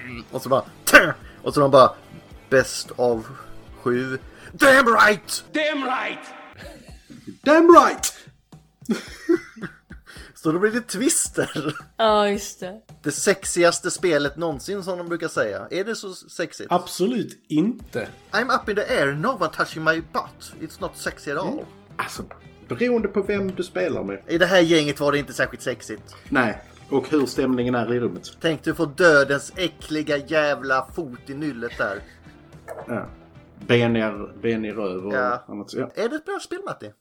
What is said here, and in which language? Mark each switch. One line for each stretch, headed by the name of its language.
Swedish: Och så bara och så bara best av sju.
English: Damn right! Damn right! Damn right!
Swedish: Så då blir det twister. Ja, just det. Det sexigaste spelet någonsin, som de brukar säga. Är det så sexigt? Absolut inte.
English: I'm up in the air, no one touching my butt. It's not sexy at all.
Swedish: Alltså, beroende på vem du spelar med. I det här gänget var det inte särskilt sexigt. Nej, och hur stämningen är i rummet. Tänk du få dödens äckliga jävla fot i nyllet där. Ja. Ben i röv och annat. Ja. Är det ett bra spel, Matti?